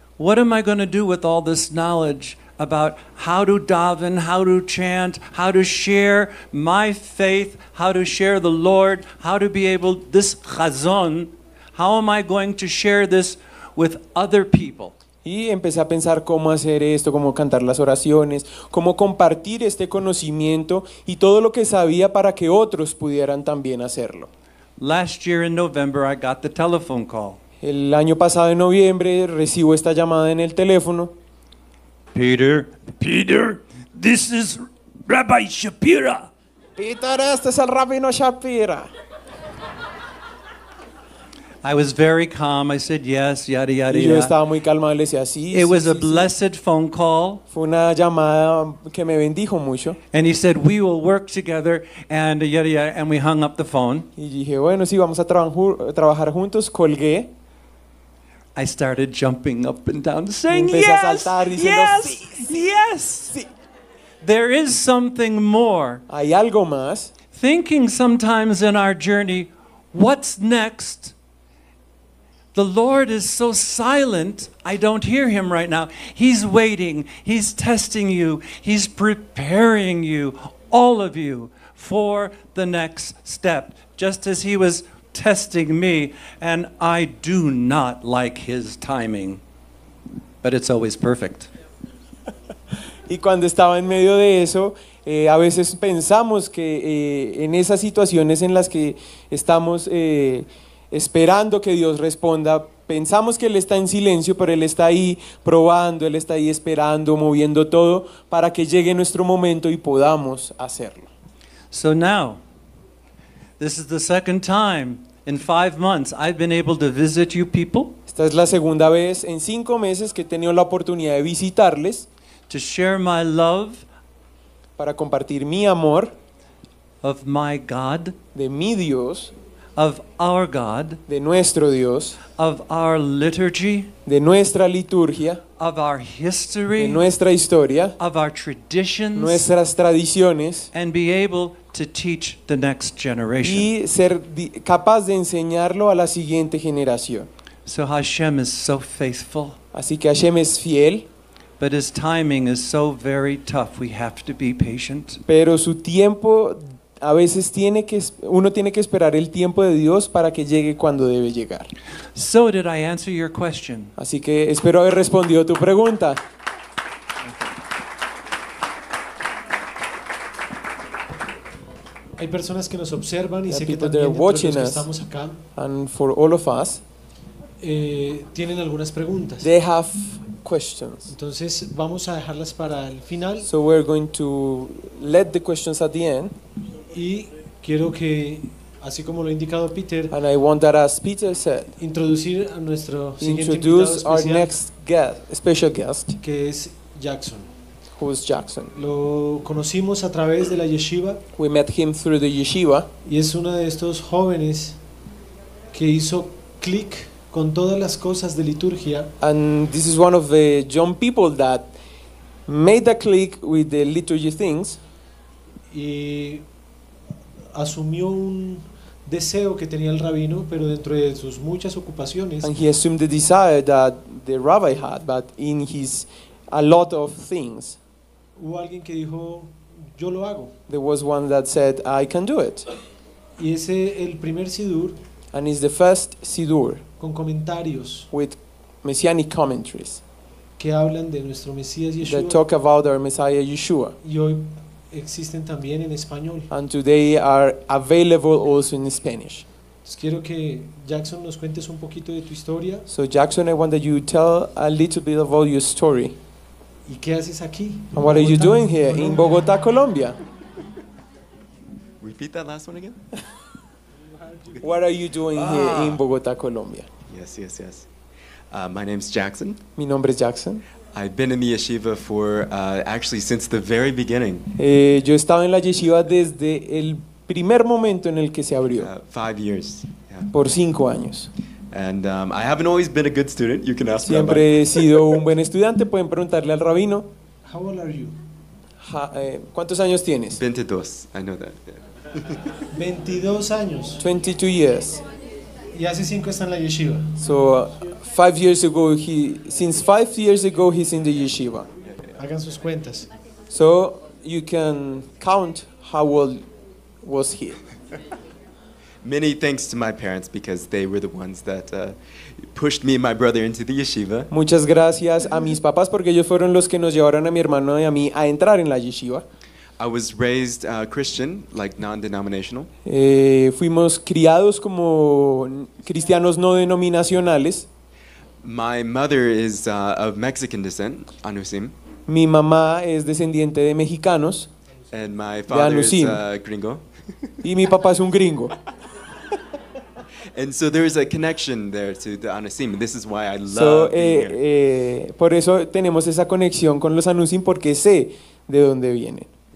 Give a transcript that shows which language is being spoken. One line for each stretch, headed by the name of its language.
English: what am I going to do with all this knowledge about how to daven, how to chant, how to share my faith, how to share the Lord, how to be able this chazon? How am I going to share this with other people?
Spanish: Y empecé a pensar cómo hacer esto, cómo cantar las oraciones, cómo compartir este conocimiento y todo lo que sabía para que otros pudieran también hacerlo.
English: Last year in November, I got the telephone call.
Spanish: El año pasado en noviembre recibo esta llamada en el teléfono.
English: Peter, this is Rabbi Shapira.
Spanish: Peter, este es el Rabino Shapira.
English: I was very calm. I said yes, yada yada.
Spanish: Yo estaba muy calmado. Le decía sí.
English: It was a blessed phone call.
Spanish: Fue una llamada que me bendijo mucho.
English: And he said we will work together and yada yada, and we hung up the phone.
Spanish: Y dije bueno sí, vamos a trabajar juntos. Colgué.
English: I started jumping up and down, saying
Spanish: yes, a saltar, diciendo,
English: yes,
Spanish: sí,
English: yes.
Spanish: Sí.
English: There is something more.
Spanish: Hay algo más.
English: Thinking sometimes in our journey, what's next? The Lord is so silent, I don't hear him right now. He's waiting, he's testing you, he's preparing you, all of you, for the next step. Just as he was testing me, and I do not like his timing, but it's always perfect.
Spanish: Y cuando estaba en medio de eso, a veces pensamos que en esas situaciones en las que estamos esperando que Dios responda, pensamos que Él está en silencio, pero Él está ahí probando, Él está ahí esperando, moviendo todo para que llegue nuestro momento y podamos hacerlo.
English: So now, this is the second time in 5 months I've been able to visit you people.
Spanish: Esta es la segunda vez en 5 meses que he tenido la oportunidad de visitarles.
English: To share my love,
Spanish: para compartir mi amor,
English: of my God,
Spanish: de mi Dios,
English: of our God,
Spanish: de nuestro Dios,
English: of our liturgy,
Spanish: de nuestra liturgia,
English: of our history,
Spanish: de nuestra historia,
English: of our traditions,
Spanish: nuestras tradiciones,
English: and be able to teach the next generation,
Spanish: y ser capaz de enseñarlo a la siguiente generación.
English: So Hashem is so faithful.
Spanish: Así que Hashem es fiel.
English: But his timing is so very tough. We have to be patient.
Spanish: Pero su tiempo a veces uno tiene que esperar el tiempo de Dios para que llegue cuando debe llegar.
English: So did I answer your question.
Spanish: Así que espero haber respondido tu pregunta. Hay personas que nos observan y sé que también dentro de los que estamos acá,
English: and for all of us,
Spanish: tienen algunas preguntas.
English: They have questions.
Spanish: Entonces vamos a dejarlas para el final.
English: So we're going to let the questions at the end.
Spanish: Y quiero que, así como lo ha indicado Peter,
English: and I want that, as Peter said,
Spanish: introducir a nuestro siguiente
English: introduce
Spanish: invitado especial,
English: our next guest, special guest,
Spanish: que es Jackson.
English: Who is Jackson?
Spanish: Lo conocimos a través de la yeshiva.
English: We met him through the yeshiva.
Spanish: Y es uno de estos jóvenes que hizo click con todas las cosas de liturgia.
English: And this is one of the young people that made a click with the liturgy things.
Spanish: Y asumió un deseo que tenía el rabino, pero dentro de sus muchas ocupaciones.
English: And he assumed the desire that the rabbi had, but in his a lot of things.
Spanish: Hubo alguien que dijo, yo lo hago.
English: There was one that said, I can do it.
Spanish: Y ese el primer sidur.
English: And it's the first sidur.
Spanish: Con comentarios.
English: With messianic commentaries.
Spanish: Que hablan de nuestro Mesías Yeshua.
English: That talk about our Messiah Yeshua.
Spanish: Y hoy existen también en español.
English: And today are available also in Spanish.
Spanish: Entonces quiero que Jackson nos cuentes un poquito de tu historia.
English: So Jackson, I want that you tell a little bit about your story.
Spanish: ¿Y qué haces aquí?
English: And what are you doing here in Bogotá, Colombia? Repeat that last one again. What are you doing here in Bogotá, Colombia? Yes. My name's Jackson.
Spanish: Mi nombre es Jackson.
English: I've been in the yeshiva for actually since the very beginning.
Spanish: Yo he estado en la yeshiva desde el primer momento en el que se abrió.
English: 5 years.
Spanish: Yeah. Por 5 años.
English: And I haven't always been a good student. You can ask Rabbi.
Spanish: Siempre he sido un buen estudiante. Pueden preguntarle al rabino.
English: How old are you?
Spanish: ¿Cuántos años tienes?
English: 22. I know that. Yeah.
Spanish: 22 años.
English: 22 years.
Spanish: Y hace 5 está en la yeshiva.
English: So 5 years ago since 5 years ago he's in the yeshiva.
Spanish: Hagan sus cuentas.
English: So you can count how old was he. Many thanks to my parents because they were the ones that pushed me and my brother into the yeshiva.
Spanish: Muchas gracias a mis papás porque ellos fueron los que nos llevaron a mi hermano y a mí a entrar en la yeshiva.
English: I was raised Christian, like non-denominational.
Spanish: Fuimos criados como cristianos no denominacionales.
English: My mother is of Mexican descent, Anusim.
Spanish: Mi mamá es descendiente de mexicanos.
English: And my father is gringo.
Spanish: Y mi papá es un gringo.
English: And so there is a connection there to the Anusim. This is why I love being here.
Spanish: Por eso tenemos esa conexión con los Anusim porque sé de dónde vienen.